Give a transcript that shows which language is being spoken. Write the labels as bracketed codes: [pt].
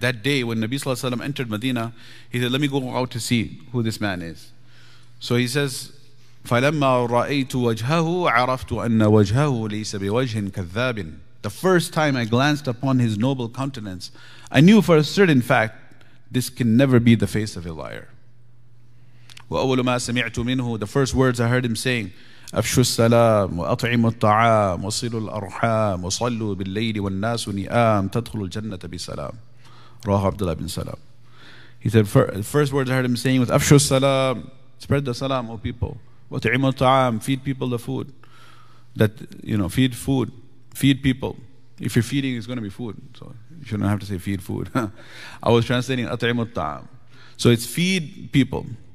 [en] That day when Nabi Sallallahu Alaihi Wasallam entered Medina, he said, let me go out to see who this man is. So he says, [ar] فَلَمَّا رَأَيْتُ وَجْهَهُ عَرَفْتُ أَنَّ وَجْهَهُ لَيْسَ بِوَجْهٍ كَذَّابٍ. [en] The first time I glanced upon his noble countenance, I knew for a certain fact, this can never be the face of a liar. [ar] وَأَوَّلُ مَا سَمِعْتُ مِنْهُ. [en] The first words I heard him saying, [ar] أفشوا السلام وأطعموا الطعام وصلوا الأرحام وصلوا بالليل والناس نئام تدخل الجنة بسلام. رواه عبد الله بن سلام. [en] He said, the first words I heard him saying was, [ar] أفشوا السلام, [en] spread the salam, O people. [ar] وأطعموا الطعام, [en] feed people the food. That, you know, feed food, feed people. If you're feeding, it's going to be food. So you shouldn't have to say feed food. I was translating [ar] أطعموا الطعام. [en] So it's feed people.